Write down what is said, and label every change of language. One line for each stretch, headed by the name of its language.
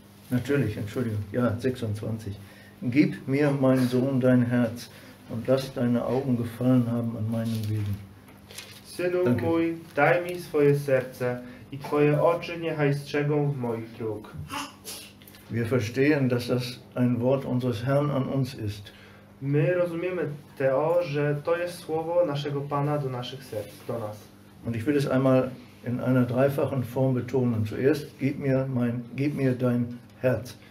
German: Natürlich, Entschuldigung. Ja, 26. Gib mir, mein Sohn, dein Herz und lass deine Augen gefallen haben an meinem Wegen.
Polish: Synu mój, daj mi swoje serce i twoje oczy niechaj strzegą w moich dróg.
German: Wir verstehen, dass das ein Wort unseres Herrn an uns ist.
Polish: My rozumiemy to, że to jest słowo naszego Pana do naszych serc, do nas.
German: Und ich will es einmal in einer dreifachen Form betonen. Zuerst gib mir dein Herz.